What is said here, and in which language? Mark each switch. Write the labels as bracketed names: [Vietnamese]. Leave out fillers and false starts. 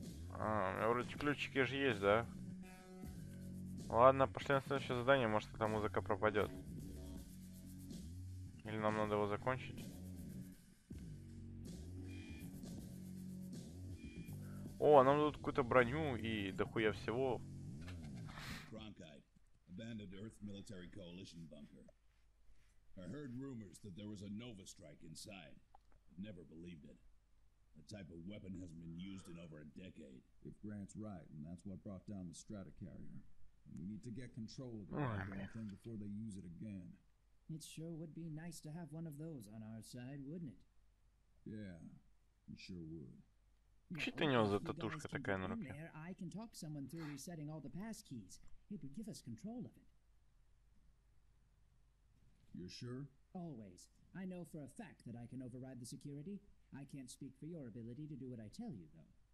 [Russian] А, у меня вроде ключики же есть, да? Ладно, пошли на следующее задание, может эта музыка пропадёт. Или нам надо его закончить? О, нам дадут какую-то броню и дохуя всего. [English] Abandoned Earth Military Coalition bunker. I heard rumors that there was a Nova strike inside. I've never believed it. That type of weapon hasn't been used in over a decade. If Grant's right, and that's what brought down the Strata carrier, we need to get control of the thing before they use it again. It sure would be nice to have one of those on our side, wouldn't it? Yeah, it sure would. [Russian] Что у него за татушка такая на руке? [English] I can talk someone through resetting all the pass keys. It would give us control of it. You're sure? Always. I know for a fact that I can override the security. I can't speak for your ability to do what I tell you, though.